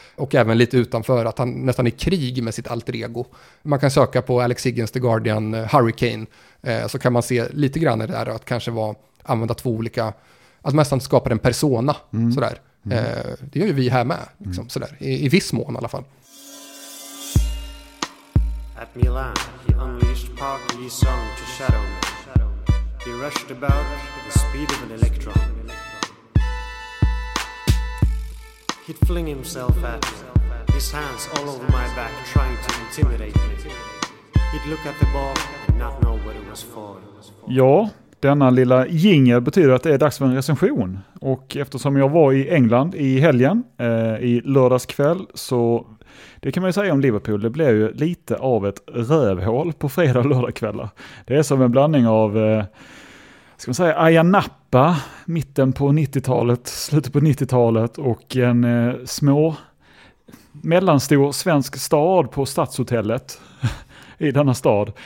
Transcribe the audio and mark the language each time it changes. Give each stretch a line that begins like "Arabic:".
Swedish: Och även lite utanför, att han nästan är i krig med sitt alter ego. Man kan söka på Alex Higgins, The Guardian, Hurricane, så kan man se lite grann det där, att kanske vara, använda två olika, att nästan skapa en persona. Mm. Sådär. Det gör ju vi här med, liksom, sådär, i viss mån i alla fall.
English: At Milan, he unleashed Park Lee's song to shadow me. He rushed about the speed of an electron. He'd fling himself at me, his hands all over my back, trying to intimidate me. He'd look at the ball and not know what it was for.
Swedish: Ja, denna lilla jingel betyder att det är dags för en recension. Och eftersom jag var i England i helgen, i lördagskväll, så... Det kan man ju säga om Liverpool, det blev ju lite av ett rövhål på fredag och lördag kvällar. Det är som en blandning av, ska man säga, Aya Napa, mitten på 90-talet, slutet på 90-talet, och en små, mellanstor svensk stad på Stadshotellet i denna stad.